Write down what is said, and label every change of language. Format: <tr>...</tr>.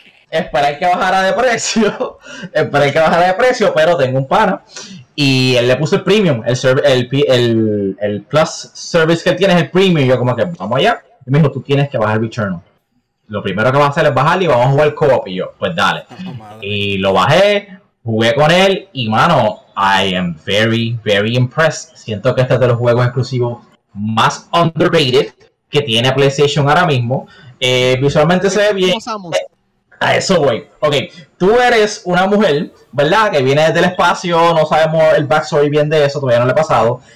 <es>esperar que bajara de precio. Esperar que bajara de precio, pero tengo un pana. Y él le puso el premium. El plus service que él tiene es el premium. Y yo como que, vamos allá. Y me dijo, tú tienes que bajar Returnal. Lo primero que vas a hacer es bajar y vamos a jugar co-op. Y yo, pues dale. Oh, y lo bajé, jugué con él. Y mano,</es> <en>I am very, very impressed.</en> <es>Siento que este es de los juegos exclusivos más underrated que tiene PlayStation ahora mismo. Visualmente se ve bien. A eso voy. Ok, tú eres una mujer, ¿verdad? Que viene desde el espacio, no sabemos el backstory bien de eso, todavía no le ha pasado.</es>